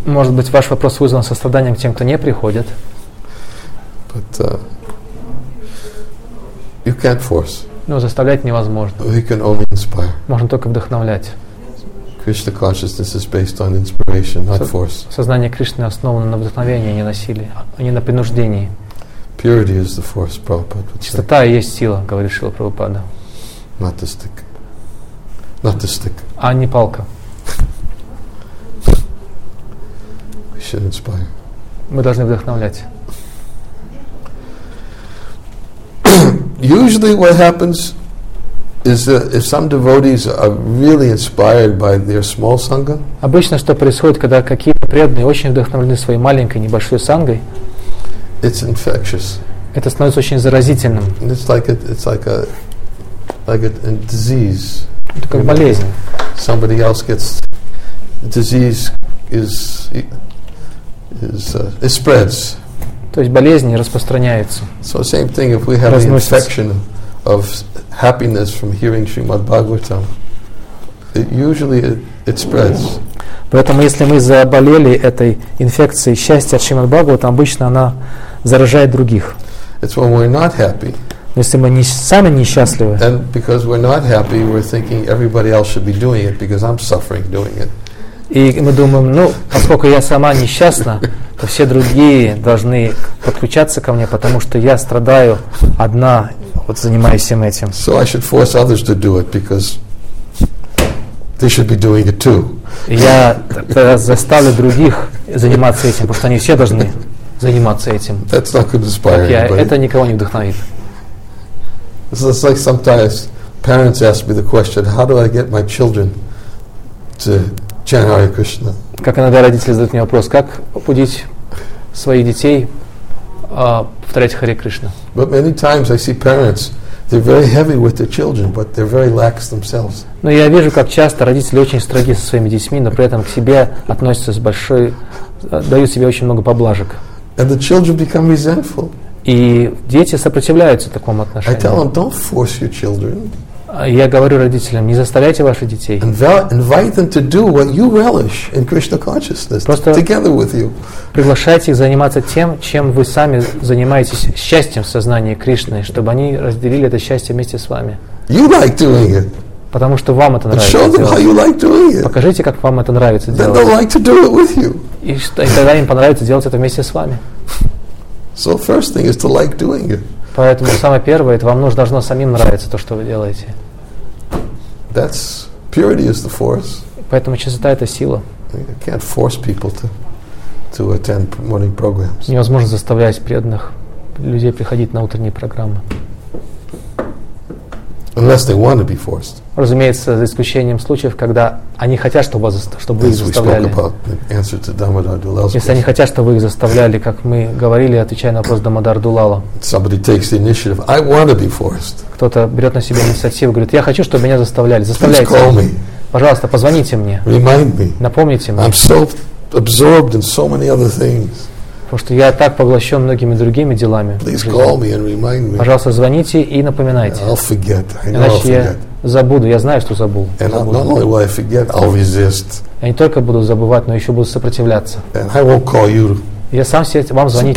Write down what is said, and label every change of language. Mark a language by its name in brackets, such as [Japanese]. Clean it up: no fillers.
[Russian] Может быть, ваш вопрос вызван состраданием к тем, кто не приходит. [English] But, you can't force. [Russian] Но заставлять невозможно. [English] You can only inspire. [Russian] Можно только вдохновлять. [English] Krishna consciousness is based on inspiration, not force. [Russian] Сознание Кришны основано на вдохновении, а не на силе, а не на принуждении. [English] Purity is the force, Prabhupada would say. [Russian] Чистота есть сила, говорит Шрила Прабхупада. [English] Not the stick. Not the stick. [Russian] А не палка. [English] We should inspire. [Russian] Мы должны вдохновлять. [English] Usually what happens is that if some devotees are really inspired by their small sangha. [Russian] Обычно что происходит, когда какие-то преданные очень вдохновлены своей маленькой, небольшой сангой. [English] It's infectious. [Russian] Это становится очень заразительным. [English] It's like a disease. [Russian] Это как болезнь. [English] Somebody else gets the disease is it spreads. [Russian] То есть болезнь распространяется. [English] So same thing if we have an infection of happiness from hearing Srimad Bhagavatam, it usually spreads. [Russian] Поэтому если мы заболели этой инфекцией счастья от Шримад Бхагаватам, обычно она заражает других. [English] It's when we're not happy. [Russian] Но если мы не, сами несчастливы. [English] And because we're not happy, we're thinking everybody else should be doing it because I'm suffering doing it. [Russian] И мы думаем, ну, поскольку я сама несчастна, то все другие должны подключаться ко мне, потому что я страдаю одна, вот занимаюсь им этим. [English] So I should force others to do it because they should be doing it too. [Russian] Я тогда заставлю других заниматься этим, потому что они все должны заниматься этим. [English] That's not going to inspire anybody. [Russian] Это никого не вдохновит. [English] It's like sometimes parents ask me the question, how do I get my children to chant Hare Krishna? [Russian] Как иногда родители задают мне вопрос, как побудить своих детей повторять Харе Кришна? [English] But many times I see parents, they're very heavy with their children, but they're very lax themselves. [Russian] Но я вижу, как часто родители очень строги со своими детьми, но при этом к себе относятся с большой, дают себе очень много поблажек. [English] And the children become resentful. [Russian] И дети сопротивляются такому отношению. [English] I tell them, don't force your children. [Russian] Я говорю родителям, не заставляйте ваших детей. [English] Invite them to do what you relish in Krishna consciousness. [Russian] Просто [English] together with you. [Russian] Приглашайте их заниматься тем, чем вы сами занимаетесь счастьем в сознании Кришны, чтобы они разделили это счастье вместе с вами. [English] You like doing it. [Russian] Потому что вам это нравится. [English] Like [Russian] покажите, как вам это нравится делать. [English] Like to do it with you. [Russian] И что, и тогда им понравится делать это вместе с вами. [English] So first thing is to like doing it. [Russian] Поэтому самое первое, это вам нужно должно самим нравиться то, что вы делаете. [English] That's purity is the force. [Russian] Поэтому чистота — это сила. [English] You can't force people to attend morning programs. [Russian] Невозможно заставлять преданных людей приходить на утренние программы. [English] Unless they want to be forced. [Russian] Разумеется, за исключением случаев, когда они хотят, чтобы вы их заставляли. Если они хотят, чтобы вы их заставляли, как мы говорили, отвечая на вопрос Дамодар Дулала. [English] Somebody takes the initiative. I want to be forced. [Russian] Кто-то берет на себя инициативу, говорит, я хочу, чтобы меня заставляли. Заставляйте. [English] Please call me. [Russian] Пожалуйста, позвоните мне. [English] Remind me. [Russian] Напомните мне. [English] I'm so absorbed in so many other things. [Russian] Потому что я так поглощен многими другими делами. Пожалуйста, звоните и напоминайте. [English] I'll forget. [Russian] Иначе [English] I'll forget. [Russian] Я забуду. Я знаю, что забыл. Я не только буду забывать, но еще буду сопротивляться. [English] And I won't call you. [Russian] Я сам себе вам звонить